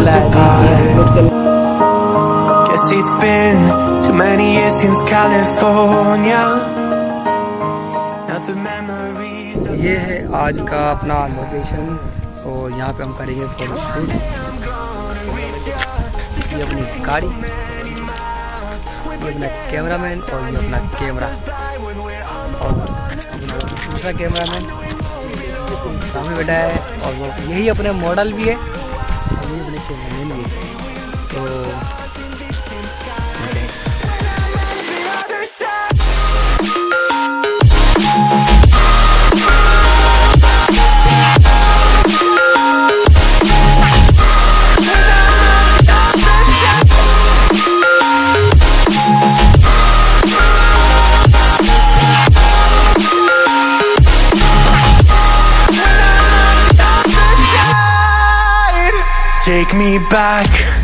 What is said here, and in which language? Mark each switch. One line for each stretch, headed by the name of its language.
English: Guess it's been too many years since California. Now the memories.
Hindi: ये है आज का अपना लोकेशन, और यहाँ पे हम करेंगे फोटो शूट। ये अपनी गाड़ी, ये अपना कैमरामैन, और ये अपना कैमरा, और दूसरा कैमरामैन सामने बैठा है, और वो यही अपने मॉडल भी है, और यही अपने कैमरामैन भी है। तो
English: take me back